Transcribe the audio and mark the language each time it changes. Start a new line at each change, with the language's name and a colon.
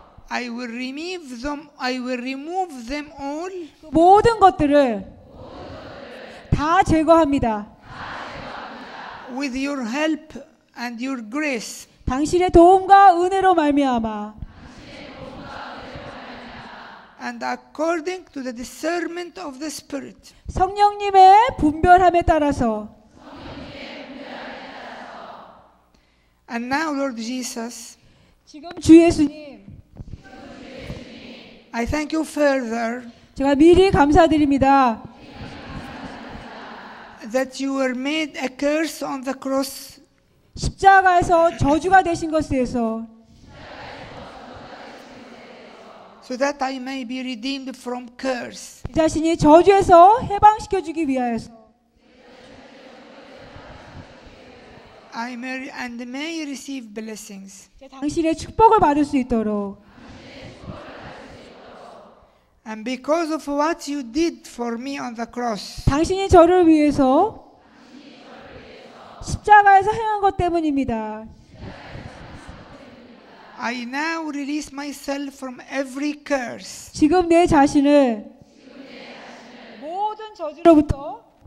English: I will remove them all.
Korean: 그 모든 것들을 다 제거합니다.
English: With your help and your grace.
Korean: 당신의 도움과 은혜로 말미암아.
English: And according to the discernment of the Spirit.
Korean: 성령님의 분별함에 따라서.
English: And now, Lord Jesus.
Korean: 지금 주 예수님.
English: I thank you further.
Korean: 제가 미리 감사드립니다.
English: That you were made a curse on the cross.
Korean: 십자가에서 저주가 되신 것에 대해서.
English: So that I may be redeemed from curse.
Korean: 자신이 저주에서 해방시켜 주기 위하여서.
English: I may and may receive blessings.
Korean: 당신의 축복을 받을 수 있도록.
English: And because of what you did for me on the cross.
Korean: 당신이 저를 위해서 십자가에서 행한 것 때문입니다.
English: I now release myself from every curse.
Korean: 지금 내 자신을 모든 저주로부터